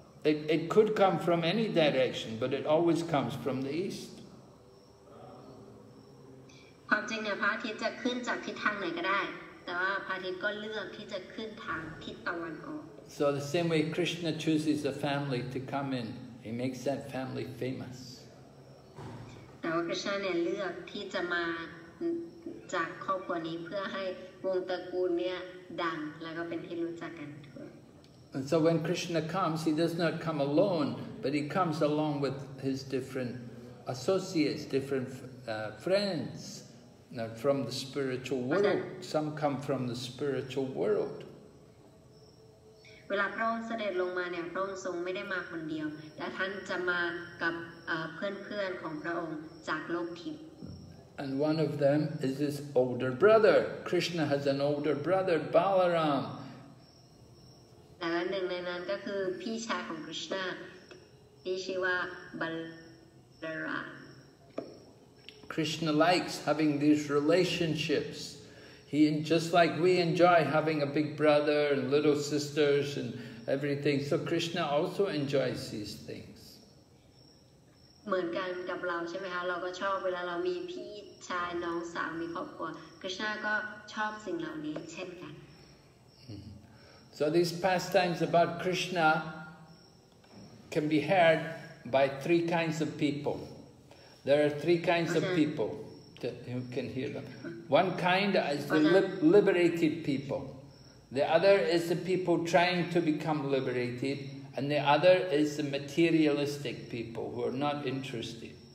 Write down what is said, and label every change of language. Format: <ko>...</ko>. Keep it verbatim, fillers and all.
<en>It it could come from any direction but it always comes from the east</en> <th>ความจริงเนี่ยพระอาทิตย์จะขึ้นจากทิศทางไหนก็ได้แต่ว่าพระอาทิตย์ก็เลือกที่จะขึ้นทางทิศตะวันออก</th> <en>So the same way Krishna chooses a family to come in, he makes that family famous.</en> <th>แต่ว่ากฤษณะเนี่ยเลือกที่จะมาจากครอบครัวนี้เพื่อให้วงตระกูลเนี่ยดังแล้วก็เป็นที่รู้จักกันทั่ว</th> <en>And so when Krishna comes, he does not come alone, but he comes along with his different associates, different uh, friends now from the spiritual world. Some come from the spiritual world.</en> <th>เวลาพระองค์เสด็จลงมาเนี่ยพระองค์ทรงไม่ได้มาคนเดียวแต่ท่านจะมากับเพื่อนๆของพระองค์จากโลกทิพย์</th> <en>And one of them is his older brother. Krishna has an older brother, Balaram.</en> <th>และหนึ่งในนั้นก็คือพี่ชายของกฤษณะที่ชื่อว่า Balaram.</th> <en>Krishna likes having these relationships. He, just like we enjoy having a big brother and little sisters and everything, so Krishna also enjoys these things.</en> <th>เหมือนกันกับเราใช่ไหมคะเราก็ชอบเวลาเรามีพี่ชายน้องสาวมีครอบครัว Krishna ก็ชอบสิ่งเหล่านี้เช่นกัน</th> <en>So these pastimes about Krishna can be heard by three kinds of people. There are three kinds of people. Who can hear them? One kind is the li- liberated people. The other is the people trying to become liberated, and the other is the materialistic people who are not interested.</en>